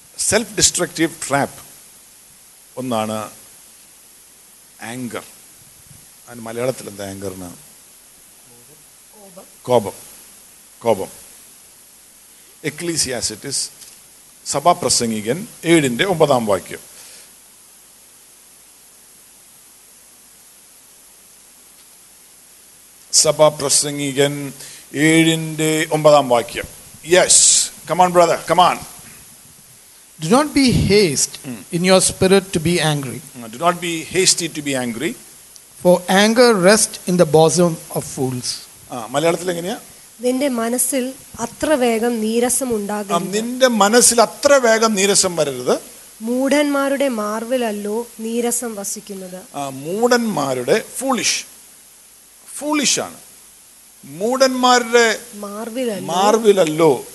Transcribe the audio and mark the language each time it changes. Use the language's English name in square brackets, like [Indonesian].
[Malayalam] Self destructive trap ഒന്നാണ് anchor അതിന് മലയാളത്തിൽ എന്താ ആങ്കറിന് കോപം Ecclesiastes, Sabha Prasangigan, 7:9 വാക്യം [English] Sabha Prasangigan, 7:9 വാക്യം Yes, come on brother, come on. Do not be haste in your spirit to be angry. Do not be hasty to be angry. For anger rests in the bosom of fools. [Malayalam] മലയാളത്തിൽ എങ്ങനെയാ നിന്റെ മനസ്സിൽ അത്ര വേഗം നീരസം ഉണ്ടാകരുത് നിന്റെ മനസ്സിൽ അത്ര വേഗം നീരസം വരരുത് മൂഢന്മാരുടെ മാർവിലല്ലോ നീരസം വസിക്കുന്നത്. മൂഢന്മാരുടെ ഫൂളിഷ് ആണ്, മൂഢന്മാരുടെ മാർവിലല്ലോ